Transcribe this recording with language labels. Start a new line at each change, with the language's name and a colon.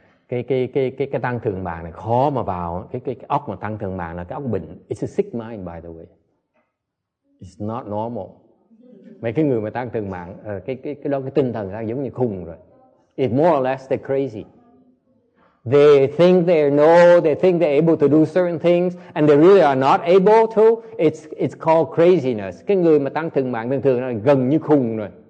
Vietnamese: cái tăng thượng mạng này khó mà vào. Cái óc mà tăng thượng mạng là cái óc bệnh.
English: It's a sick mind, by the way. It's not normal.
Vietnamese: Mấy cái người mà tăng thượng mạng, cái đó cái tinh thần đang giống như khùng rồi.
English: It's more or less they're crazy. They think they know, they think they're able to do certain things, and they really are not able to. It's called craziness.
Vietnamese: Cái người mà tăng thượng mạng thường thường là gần như khùng rồi.